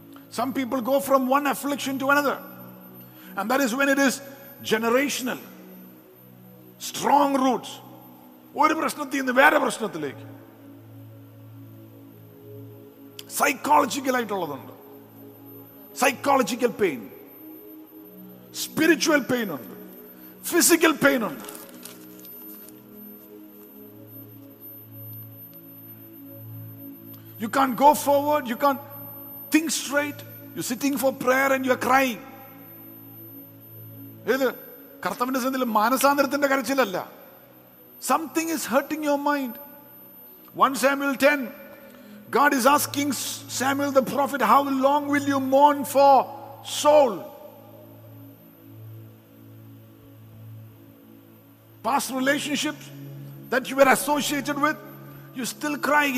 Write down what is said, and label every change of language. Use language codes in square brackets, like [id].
[en] Some people go from one affliction to another, and that is when it is generational, strong roots. [ml] ഒരു പ്രശ്നത്തിൽ നിന്ന് വേറെ പ്രശ്നത്തിലേക്ക്. Psychological ആയിട്ടുള്ളതുണ്ട്, psychological pain, spiritual pain ഉണ്ട്, physical pain ഉണ്ട്. [en] You can't go forward, you can't think straight. You're sitting for prayer and you're crying. [ml] ഇതു കർത്താവിന്റെ സന്നിധിയിൽ മാനസാന്തരത്തിന്റെ കരച്ചിലല്ല. [en] Something is hurting your mind. 1 Samuel 10. God is asking Samuel the prophet, how long will you mourn for Saul? Past relationships that you were associated with, you're still crying.